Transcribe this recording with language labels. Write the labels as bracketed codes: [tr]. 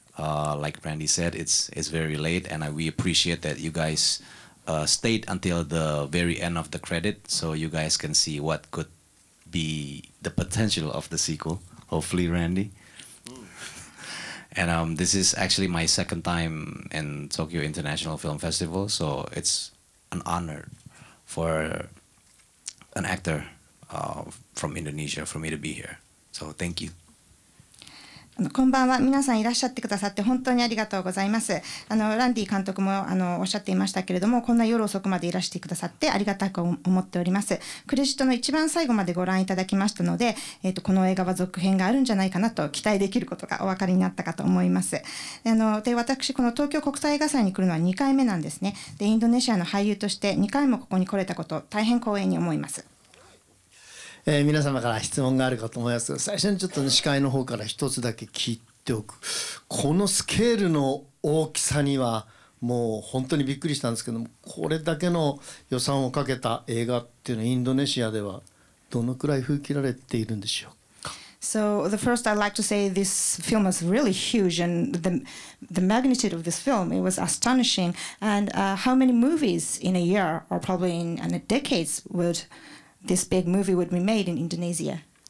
[en] Like Randy said, it's very late and we appreciate that you guysstayed until the very end of the credit so you guys can see what could be the potential of the sequel, hopefully, Randy. And this is actually my second time in Tokyo International Film Festival, so it's an honor for an actor from Indonesia for me to be here. So thank you. [ja] こんばんは、皆さんいらっしゃってくださって本当にありがとうございます。ランディ監督もおっしゃっていましたけれども、こんな夜遅くまでいらしてくださってありがたく思っております。クレジットの一番最後までご覧いただきましたので、この映画は続編があるんじゃないかなと期待できることがお分かりになったかと思います。で、私この東京国際映画祭に来るのは2回目なんですね。で、インドネシアの俳優として2回もここに来れたこと大変光栄に思います。皆様から質問があるかと思いますが、最初にちょっと、ね、司会の方から一つだけ聞いておく。このスケールの大きさにはもう本当にびっくりしたんですけども、これだけの予算をかけた映画っていうのはインドネシアではどのくらい封切られているんでしょうか。 [en] So the first I'd like to say this film is really huge and the magnitude of this film, it was astonishing. And how many movies in a year or probably in a decade wouldThis big movie would be made in Indonesia.